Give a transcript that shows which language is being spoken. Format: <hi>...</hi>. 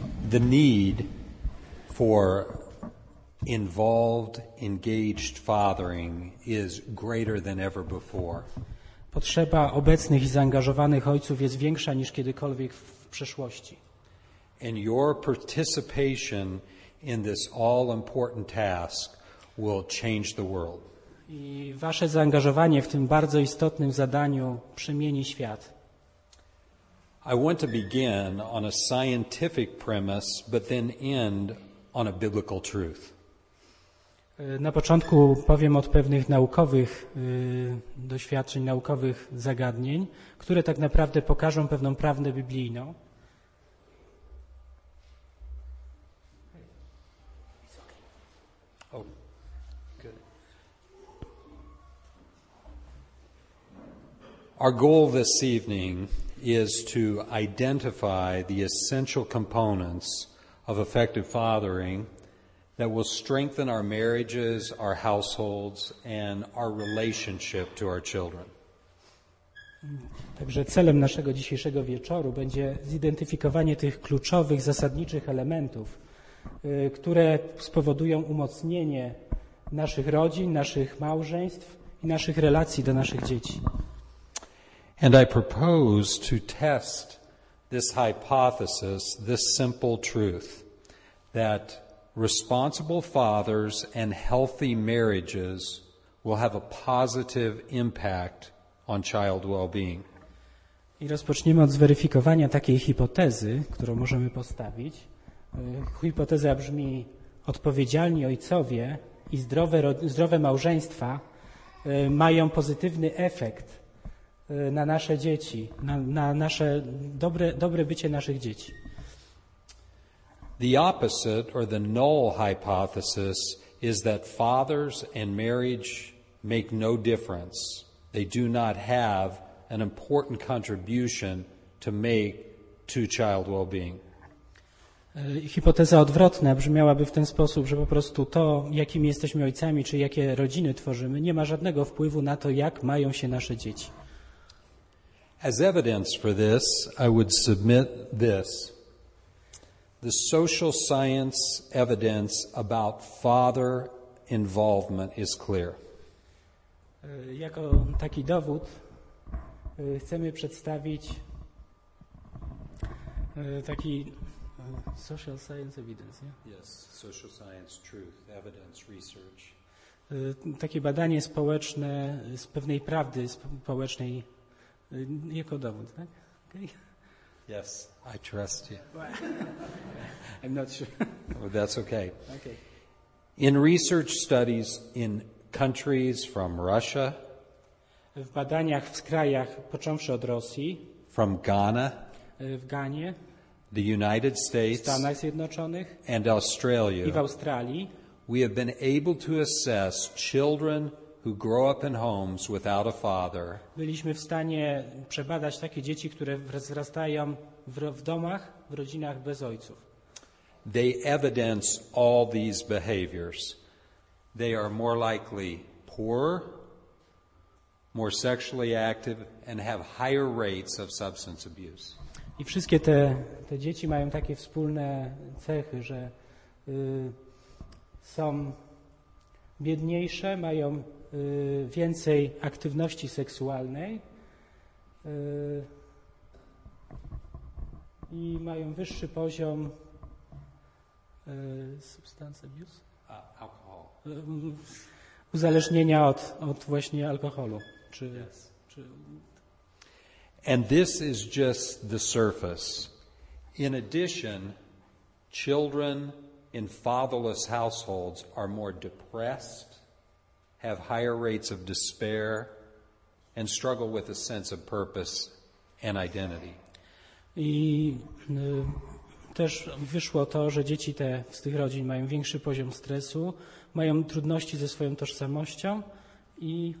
<en>The need for involved, engaged fathering is greater than ever before.</en> <pl>Potrzeba obecnych i zaangażowanych ojców jest większa niż kiedykolwiek w przeszłości.</pl> <en>And your participation in this all important task will change the world.</en> <pl>I wasze zaangażowanie w tym bardzo istotnym zadaniu przemieni świat.</pl> <en>I want to begin on a scientific premise, but then end on a biblical truth.</en> <pl>Na początku powiem od pewnych naukowych doświadczeń, naukowych zagadnień, które tak naprawdę pokażą pewną prawdę biblijną.</pl> <en>Our goal this evening is to identify the essential components of effective fathering that will strengthen our marriages, our households, and our relationship to our children.</en> <pl>Także celem naszego dzisiejszego wieczoru będzie zidentyfikowanie tych kluczowych, zasadniczych elementów, które spowodują umocnienie naszych rodzin, naszych małżeństw i naszych relacji do naszych dzieci.</pl> <en>And I propose to test this hypothesis, this simple truth, that responsible fathers and healthy marriages will have a positive impact on child well-being.</en> <pl>I rozpoczniemy od zweryfikowania takiej hipotezy, którą możemy postawić. Hipoteza brzmi: odpowiedzialni ojcowie i zdrowe małżeństwa mają pozytywny efekt na nasze dzieci, na nasze dobre bycie naszych dzieci.</pl> <en>The opposite or the null hypothesis is that fathers and marriage make no difference. They do not have an important contribution to make to child well-being.</en> <pl>Hipoteza odwrotna brzmiałaby w ten sposób, że po prostu to, jakimi jesteśmy ojcami, czy jakie rodziny tworzymy, nie ma żadnego wpływu na to, jak mają się nasze dzieci.</pl> <en>As evidence for this, I would submit this. The social science evidence about father involvement is clear.</en> <pl>Jako taki dowód chcemy przedstawić taki</pl> <en>social science evidence, yeah? Yes, social science truth, evidence, research.</en> <pl>Takie badanie społeczne z pewnej prawdy społecznej. Jako dowód, tak? Okay.</pl> <en>Yes, I trust you. I'm not sure. Well, that's okay. Okay. In research studies in countries, from Russia,</en> <pl>w badaniach w krajach, począwszy od Rosji,</pl> <en>from Ghana,</en> <pl>w Ganie,</pl> <en>the United States,</en> <pl>w Stanach Zjednoczonych,</pl> <en>and Australia,</en> <pl>i w Australii,</pl> <en>we have been able to assess children who grow up in homes without a father.</en> <pl>Byliśmy w stanie przebadać takie dzieci, które wzrastają w domach, w rodzinach bez ojców.</pl> <en>They evidence all these behaviors. They are more likely poorer, more sexually active, and have higher rates of substance abuse.</en> <pl>I wszystkie te dzieci mają takie wspólne cechy, że są biedniejsze, mają więcej aktywności seksualnej i mają wyższy poziom</pl> <en>substance abuse?</en> <pl>Alkohol. Uzależnienia od właśnie alkoholu. Czy,</pl> <en>yes.</en> <pl>Czy...</pl> <en>And this is just the surface. In addition, children in fatherless households are more depressed, have higher rates of despair, and struggle with a sense of purpose and identity.</en> <pl>I też wyszło to, że dzieci te z tych rodzin mają większy poziom stresu, mają trudności ze swoją tożsamością i</pl>